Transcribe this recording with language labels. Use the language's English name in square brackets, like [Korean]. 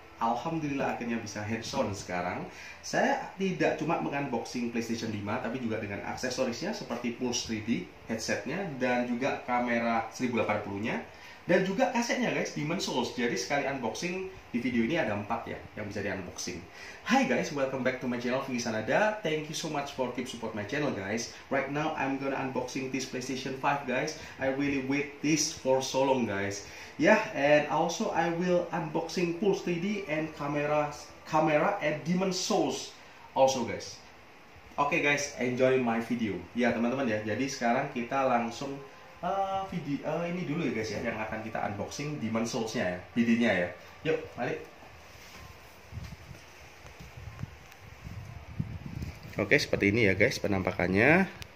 [Indonesian] Alhamdulillah akhirnya bisa hands-on sekarang. Saya tidak cuma mengunboxing PlayStation 5, tapi juga dengan aksesorisnya seperti Pulse 3D, headsetnya, dan juga kamera 1080-nya. Dan juga kasetnya guys, Demon's Souls. Jadi sekali unboxing di video ini ada 4 ya yang bisa di unboxing. [English] Hi guys, welcome back to my channel Vinky Sanada. Thank you so much for keep support my channel guys. Right now I'm gonna unboxing this PlayStation 5 guys. I really wait this for so long guys. Yeah, and also I will unboxing Pulse 3D and camera and Demon's Souls also guys. Okay guys, enjoy my video. [Indonesian] Ya teman-teman ya. Jadi sekarang kita langsung ini dulu ya guys ya, yang akan kita unboxing Demon's Souls-nya ya, PD-nya ya. Yuk, mari. Oke, seperti ini ya guys penampakannya.